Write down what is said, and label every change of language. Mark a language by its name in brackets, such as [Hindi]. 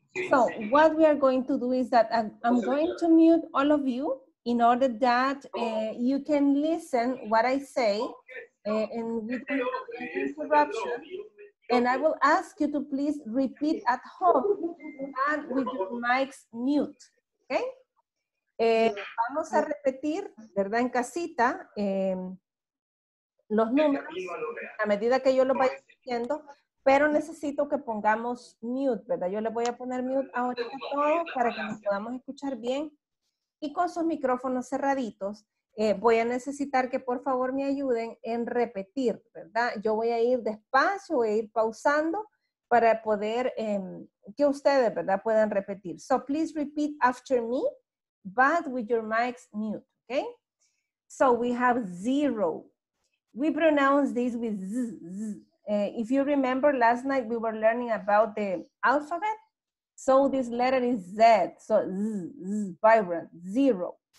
[English] So what we are going to do is that I'm going to mute all of you in order that you can listen what I say. And with interruption, and I will ask you to please repeat at home and with your mics mute, okay? [Spanish] Vamos a repetir, ¿verdad? En casita, los números a medida que yo los vaya diciendo, pero necesito que pongamos mute, ¿verdad? Yo le voy a poner mute ahora a todos para que nos podamos escuchar bien y con sus micrófonos cerraditos. Voy a necesitar que por favor me ayuden en repetir, ¿verdad? Yo voy a ir despacio, voy a ir pausando para poder que ustedes, ¿verdad? Puedan repetir. [English] So please repeat after me, but with your mics mute, okay? So we have zero. We pronounce this with z, z. If you remember last night we were learning about the alphabet. So this letter is Z. So z, z, vibrant, zero.